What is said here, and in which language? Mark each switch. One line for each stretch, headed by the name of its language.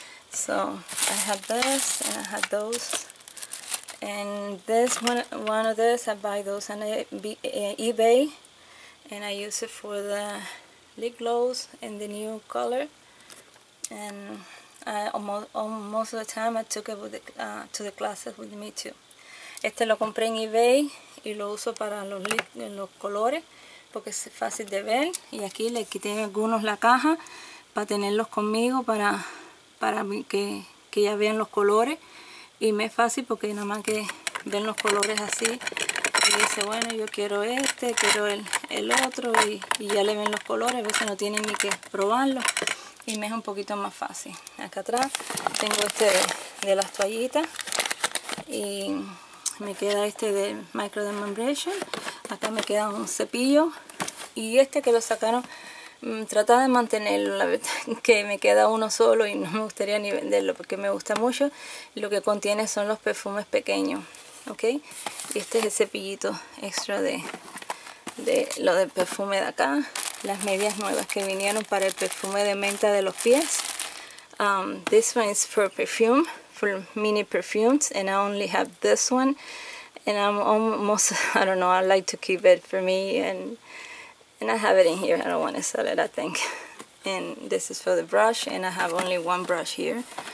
English: So I had this, and I had those. And this one of this, I buy those on eBay, and I use it for the lip gloss in the new color. And I most of the time I took it with to the classes with me too.
Spanish: Este lo compré en eBay y lo uso para los colores porque es fácil de ver. Y aquí le quité algunos la caja para tenerlos conmigo para que ya vean los colores. Y me es fácil porque nada más que ven los colores así. Y dice, bueno, yo quiero este, quiero el otro. Y ya le ven los colores. A veces no tienen ni que probarlo. Y me es un poquito más fácil. Acá atrás tengo este de las toallitas. Y me queda este de microdermabrasion. Acá me queda un cepillo. Y este que lo sacaron, trata de mantenerlo, la verdad que me queda uno solo y no me gustaría ni venderlo porque me gusta mucho. Lo que contiene son los perfumes pequeños, ok. Y este es el cepillito extra de lo del perfume de acá. Las medias nuevas que vinieron para el perfume de menta de los pies.
English: This one is for perfume, for mini perfumes, and I only have this one. And I'm almost, I don't know, I like to keep it for me, and I have it in here. I don't want to sell it, I think. And this is for the brush, and I have only one brush here.